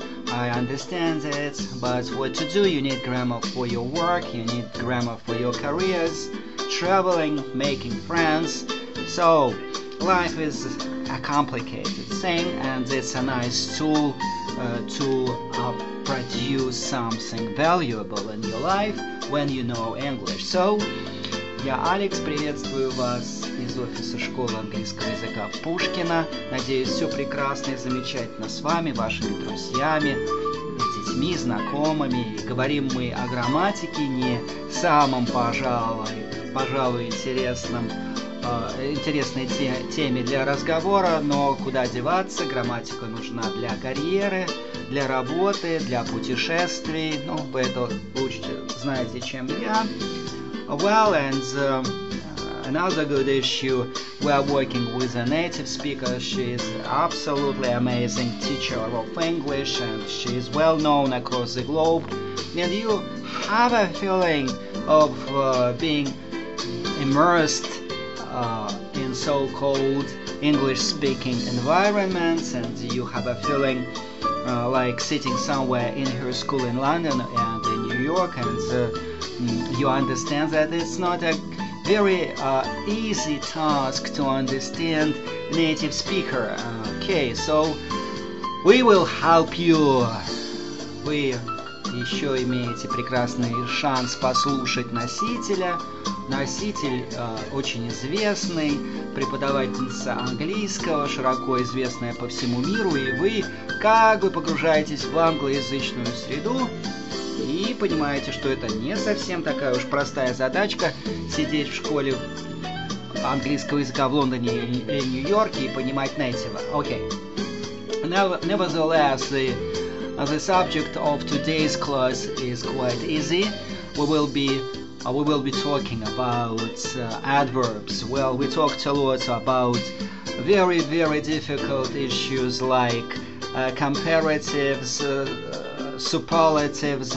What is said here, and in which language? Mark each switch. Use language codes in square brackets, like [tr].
[en] I understand it, but what to do? You need grammar for your work, you need grammar for your careers, traveling, making friends. So, life is a complicated thing, and it's a nice tool to produce something valuable in your life when you know English. [ru] So, я Алекс, приветствую вас из офиса Школы Английского Языка Пушкина. Надеюсь, все прекрасно и замечательно с вами, вашими друзьями, детьми, знакомыми. И говорим мы о грамматике, не самом, пожалуй интересной теме для разговора, но куда деваться, грамматика нужна для карьеры, для работы, для путешествий. Ну, вы это лучше знаете, чем я. [en] Well, and another good issue, we are working with a native speaker. She is absolutely amazing teacher of English, and she is well known across the globe. And you have a feeling of being immersed in so-called English-speaking environments, and you have a feeling like sitting somewhere in her school in London and in New York, and you understand that it's not a very easy task to understand native speaker. Okay, so we will help you. [ru] Вы еще имеете прекрасный шанс послушать носителя. Носитель очень известный, преподавательница английского, широко известная по всему миру, и вы как бы погружаетесь в англоязычную среду и понимаете, что это не совсем такая уж простая задачка сидеть в школе английского языка в Лондоне или Нью-Йорке и понимать native. [en] Okay. Nevertheless, the subject of today's class is quite easy. We will be talking about adverbs. Well, we talked a lot about very, very difficult issues like comparatives, superlatives.